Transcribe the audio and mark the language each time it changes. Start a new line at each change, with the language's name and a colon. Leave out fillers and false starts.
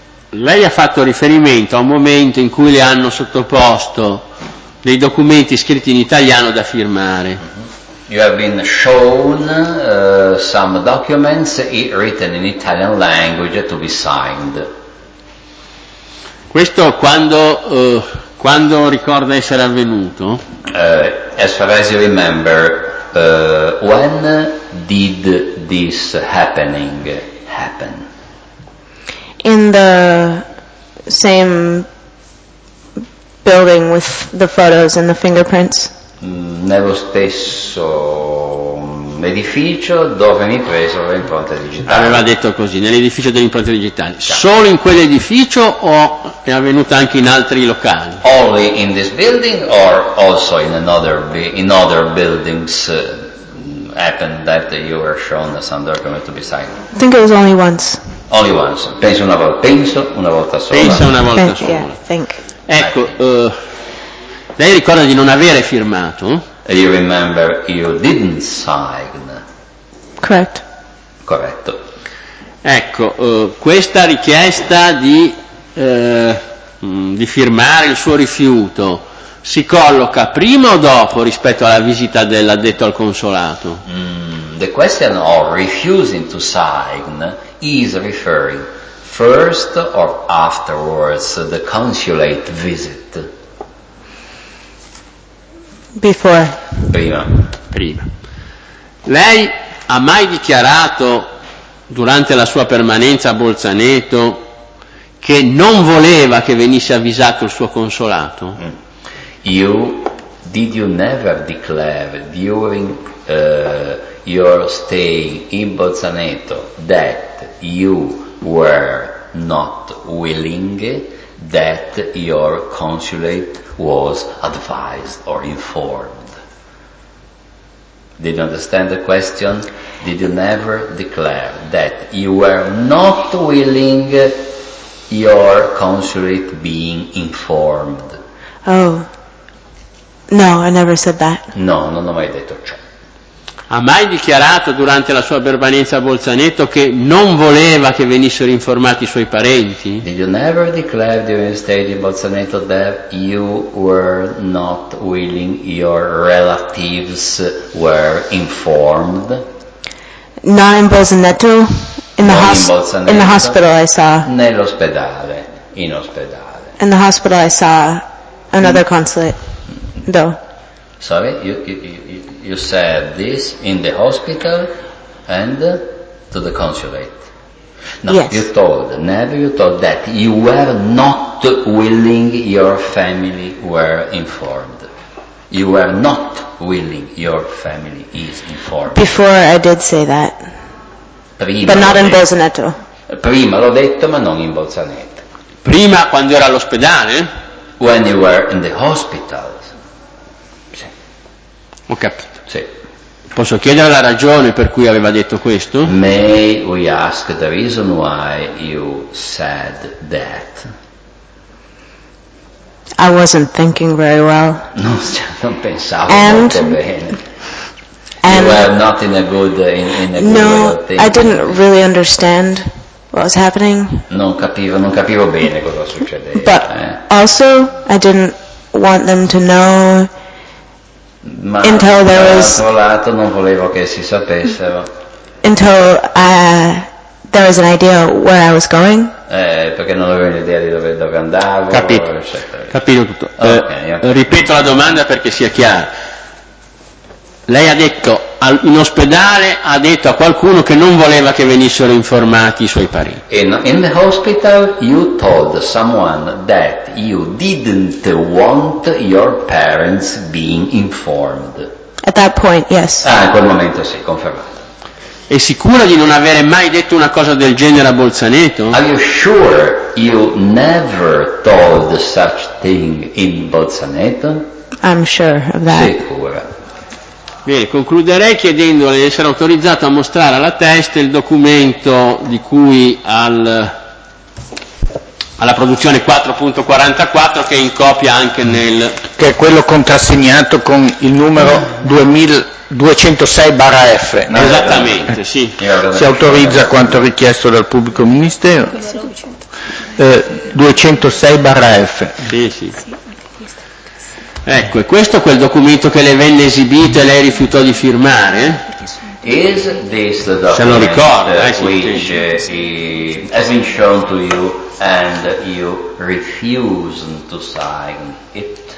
Italian: lei ha fatto riferimento a un momento in cui le hanno sottoposto dei documenti scritti in italiano da firmare.
English: You have been shown some documents written in Italian language to be signed.
Italian: Questo quando ricorda essere avvenuto?
English: As far as you remember, when did this happening happen? In the same building with the photos and the fingerprints.
Italian: Nello stesso edificio dove mi preso le impronte digitali. Aveva detto così, nell'edificio delle impronte digitali. Yeah. Solo in quell'edificio o è avvenuta anche in altri locali?
English: Only in this building or also in other buildings happened that you were shown some document to be signed? I think it was only once. Only once.
Italian: Penso una volta sola. Penso una volta sola.
English: Yeah, think.
Italian: Ecco, lei ricorda di non avere firmato?
English: And you remember you didn't sign.
Italian: Corretto. Ecco, questa richiesta di firmare il suo rifiuto si colloca prima o dopo rispetto alla visita dell'addetto al consolato?
English: The question of refusing to sign is referring first or afterwards the consulate visit. Before.
Italian: Prima. Lei ha mai dichiarato durante la sua permanenza a Bolzaneto che non voleva che venisse avvisato il suo consolato?
English: Did you never declare during your stay in Bolzaneto that you were not willing that your consulate was advised or informed? Did you understand the question? Did you never declare that you were not willing your consulate being informed? Oh, no, I never said that.
Italian: No, non ho mai detto ciò. Ha mai dichiarato durante la sua permanenza a Bolzaneto che non voleva che venissero informati i suoi parenti?
English: Did you never declare during stay in Bolzaneto that you were not willing your relatives were informed? Not in Bolzaneto, in the hospital I saw.
Italian: Nell'ospedale, in ospedale.
English: In the hospital I saw another consulate, though. Sorry, you said this in the hospital and to the consulate. No, yes. You told that you were not willing your family were informed. You were not willing your family is informed. Before I did say that.
Italian: Prima,
English: but not in Bolzaneto.
Italian: Prima l'ho detto, ma non in Bolzaneto. Prima quando era all'ospedale?
English: When you were in the hospital.
Italian: Ho capito. Sì. Posso chiedere la ragione per cui aveva detto questo?
English: May we ask the reason why you said that? I wasn't thinking very well.
Italian: Non pensavo molto bene.
English: And you were not in a good No, I didn't really understand what was happening.
Italian: Non capivo bene cosa succedeva.
English: But also, I didn't want them to know.
Italian: Ma
English: until there was,
Italian: dall'altro lato non volevo che si sapessero.
English: Until there was an idea where I was going.
Italian: Perché non avevo un'idea di dove andavo. Capito. Capito tutto.
English: Okay, okay.
Italian: Ripeto la domanda perché sia chiara. Lei ha detto in ospedale ha detto a qualcuno che non voleva che venissero informati i suoi parenti.
English: In the hospital you told someone that you didn't want your parents being informed. At that point, yes.
Italian: Ah, in quel momento sì, confermato. È sicura di non avere mai detto una cosa del genere a Bolzaneto?
English: Are you sure you never told such thing in Bolzaneto? I'm sure of that.
Italian: Sicura. Bene, concluderei chiedendole di essere autorizzato a mostrare alla testa il documento di cui alla produzione 4.44 che è in copia anche nel... Che è quello contrassegnato con il numero 2206/F. No, esattamente, sì. Si autorizza quanto richiesto dal pubblico ministero. 206/F. Sì, sì. Ecco, è questo quel documento che le venne esibito e lei rifiutò di firmare?
English: Is this the document?
Italian: Se lo ricordo,
English: which has been shown to you and you refuse to sign it?